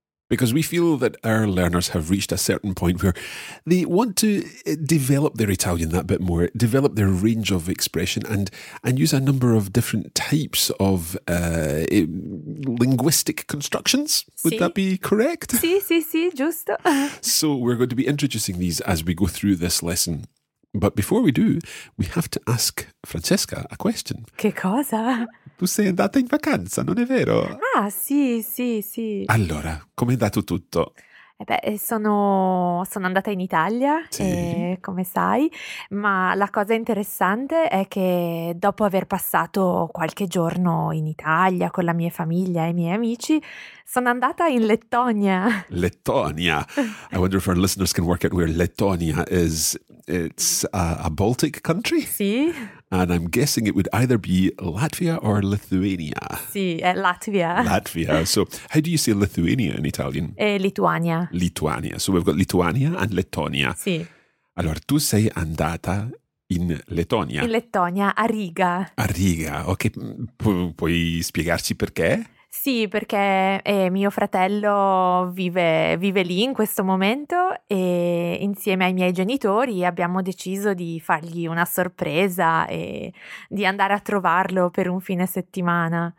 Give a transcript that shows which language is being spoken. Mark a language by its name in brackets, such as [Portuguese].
[English] Because we feel that our learners have reached a certain point where they want to develop their Italian that bit more, develop their range of expression and use a number of different types of linguistic constructions. Would [Italian] sì. [English] That be correct? [Italian] Sì, giusto. [English] So we're going to be introducing these as we go through this lesson. But before we do, we have to ask Francesca a question. [Italian] Che cosa? Tu sei andata in vacanza, non è vero? Ah, sì. Allora, com'è andato tutto? Sono andata in Italia, sì. E come sai, ma la cosa interessante è che dopo aver passato qualche giorno in Italia con la mia famiglia e i miei amici, sono andata in Lettonia. [English] Lettonia. I wonder if our listeners can work out where Lettonia is. It's a Baltic country? [Italian] Sì. [English] And I'm guessing it would either be Latvia or Lithuania. [Italian] Sì, è Latvia. [English] Latvia. So how do you say Lithuania in Italian? [Italian] È Lituania. Lituania. [English] So we've got Lituania and Lettonia. [Italian] Sì. Allora, tu sei andata in Lettonia. In Lettonia, a Riga. A Riga. Ok, puoi spiegarci perché? Sì, perché mio fratello vive lì in questo momento e insieme ai miei genitori abbiamo deciso di fargli una sorpresa e di andare a trovarlo per un fine settimana.